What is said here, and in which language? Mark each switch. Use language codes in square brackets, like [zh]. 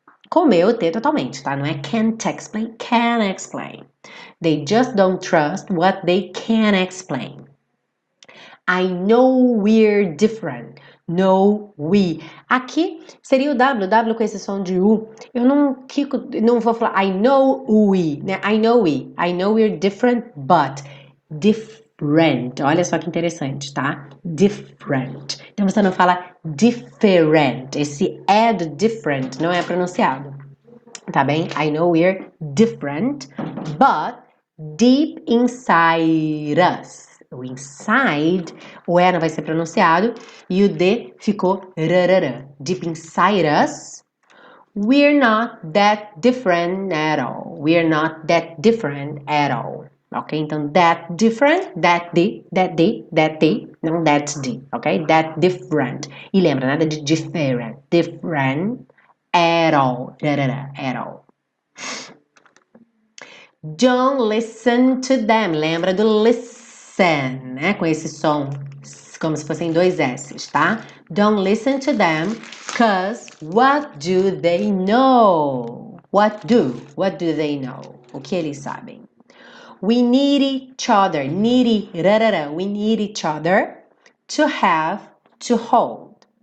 [pt] Comeu o T totalmente, tá? Não é [en] can't explain, can explain. They just don't trust what they can explain. I know we're different. No, we. [pt] Aqui seria o W, W com esse som de U. Eu não quico, não vou falar [en] I know we, [pt] né? [en] I know we. I know we're different, but different. [pt] Olha só que interessante, tá? Different. Então você não fala different. Esse é do different, não é pronunciado. Tá bem? [en] I know we're different, but deep inside us. [pt] O inside, o E não vai ser pronunciado, e o D ficou rarara. [en] Deep inside us, we're not that different at all. We're not that different at all. Ok? Então, that different, that deep, não that deep, ok? That different. [pt] E lembra, nada de [en] different. Different at all. Rarara, at all. Don't listen to them. [pt] Lembra do listen. Sen, né? Com esse som, como se fossem dois S's, tá? [en] Don't listen to them, 'cause what do they know? What do they know? [pt] O que eles sabem? [en] We need each other, needy, rarara, we need each other to have, to hold.